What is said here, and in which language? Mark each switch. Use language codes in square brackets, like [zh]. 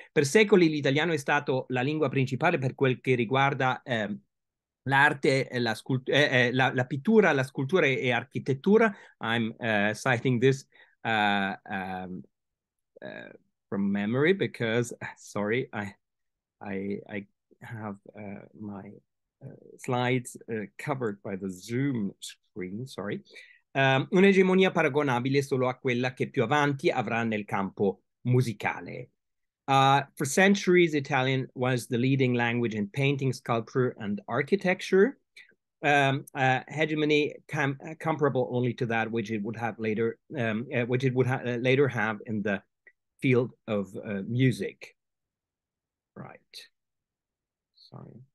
[it] Per secoli l'italiano è stato la lingua principale per quel che riguarda l'arte, la pittura, la scultura e architettura. [en] I'm citing this from memory because, sorry, I have my slides covered by the Zoom screen, sorry. [it] Un'egemonia paragonabile solo a quella che più avanti avrà nel campo musicale. [en] For centuries, Italian was the leading language in painting, sculpture, and architecture. Hegemony comparable only to that which it would have later, which it would later have in the field of music. Right. Sorry.